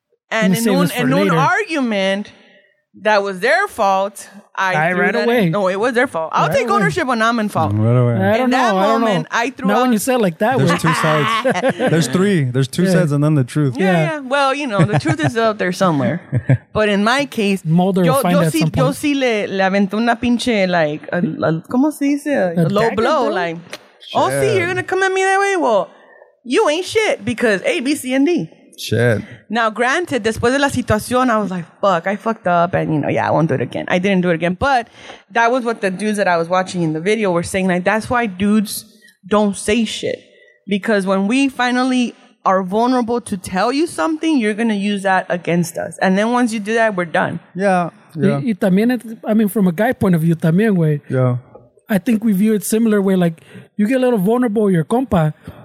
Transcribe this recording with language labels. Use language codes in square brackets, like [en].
[en] And in an argument that was their fault, I threw that away. No, it was their fault. I'll take ownership when I'm in fault. Right away. In that moment, I don't know. I threw out. No, when you said it like that. There's two sides. There's three. There's two sides and then the truth. Yeah. Well, you know, the truth is out there somewhere. But in my case, Mulder yo, will find yo, it si, at some yo point. [es] Si le aventó una pinche, like, a, ¿cómo se dice? [en] A low blow. Bro? Like, shit. Oh, see, you're going to come at me that way? Well, you ain't shit because A, B, C, and D. Shit. Now, granted, [es] después de la situación, [en] I was like, fuck, I fucked up. And, you know, yeah, I won't do it again. I didn't do it again. But that was what the dudes that I was watching in the video were saying. Like, that's why dudes don't say shit. Because when we finally are vulnerable to tell you something, you're going to use that against us. And then once you do that, we're done. Yeah. [es] Y también, [en] I mean, from a guy point of view, [es] también, güey. [en] Yeah. I think we view it similar way. Like, you get a little vulnerable with your compa.